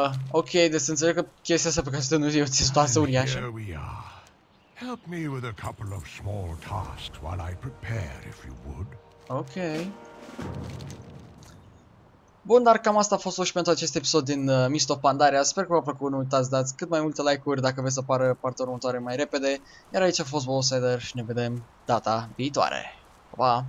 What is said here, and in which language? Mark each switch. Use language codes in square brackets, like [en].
[ro] Ok, deci să înțeleg că chestia asta pe care nu e o situație uriașă. [en] Here we are. Help me with a couple of small tasks while I prepare, if you would. Ok. [ro] Bun, dar cam asta a fost și pentru acest episod din Misto Pandaria. Sper că v-a plăcut, nu uitați să dați cât mai multe like-uri dacă veți să apară partea următoare mai repede. Iar aici a fost Bossider și ne vedem data viitoare. Pa, pa!